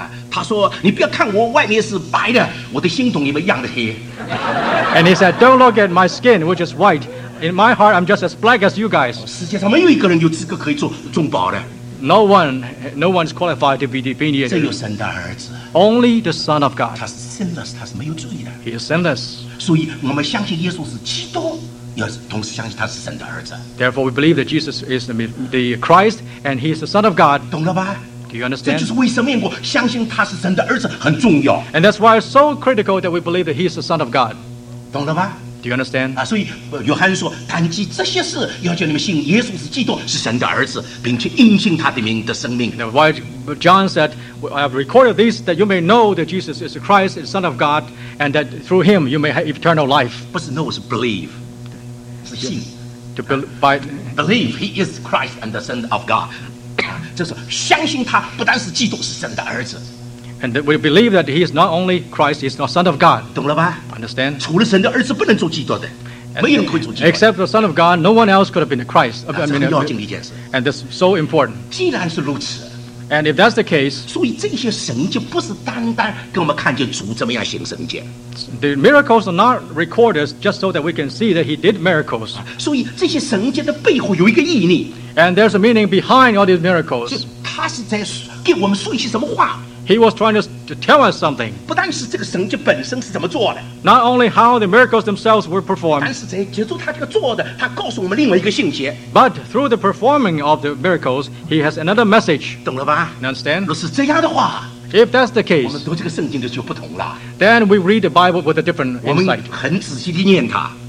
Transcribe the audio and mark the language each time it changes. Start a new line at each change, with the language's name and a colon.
Chinese: 他说，你不要看我外面是白的，我的心同你们一样的黑。
English: And he said, don't look at my skin, which is white. In my heart, I'm just as black as you guys.
Chinese: 世界上没有一个人有资格可以做中保的。
English: No one is qualified to be the mediator.
Chinese: 只有神的儿子。
English: Only the Son of God.
Chinese: 他是 sinless, 他是没有罪的。
English: He is sinless.
Chinese: 所以我们相信耶稣是基督，要同时相信他是神的儿子。
English: Therefore, we believe that Jesus is the Christ, and he is the Son of God.
Chinese: 懂了吧？
English: Do you understand?
Chinese: 这就是为什么我相信他是神的儿子很重要。
English: And that's why it's so critical that we believe that he is the Son of God.
Chinese: 懂了吧？
English: Do you understand?
Chinese: 所以约翰说，但记这些事，要叫你们信耶稣是基督，是神的儿子，并且因信他的名得生命。
English: Now, why John said, I have recorded this that you may know that Jesus is the Christ, the Son of God, and that through him you may have eternal life.
Chinese: 不是 know, 是 believe. 是信。
English: To by believe he is Christ and the Son of God.
Chinese: 就是相信他不单是基督，是神的儿子。
English: And that we believe that he is not only Christ, he is not Son of God.
Chinese: 懂了吧？
English: Understand?
Chinese: 除了神的儿子不能做基督的，没人可以做基督。
English: Except the Son of God, no one else could have been the Christ.
Chinese: 那是很要紧的一件事。
English: And this is so important.
Chinese: 既然是如此。
English: And if that's the case.
Chinese: 所以这些神迹不是单单给我们看见主怎么样行神迹。
English: The miracles are not recorded just so that we can see that he did miracles.
Chinese: 所以这些神迹的背后有一个意义。
English: And there's a meaning behind all these miracles.
Chinese: 他是在给我们说一些什么话？
English: He was trying to tell us something. Not only how the miracles themselves were performed, but through the performing of the miracles, he has another message. You understand? If that's the case, then we read the Bible with a different insight.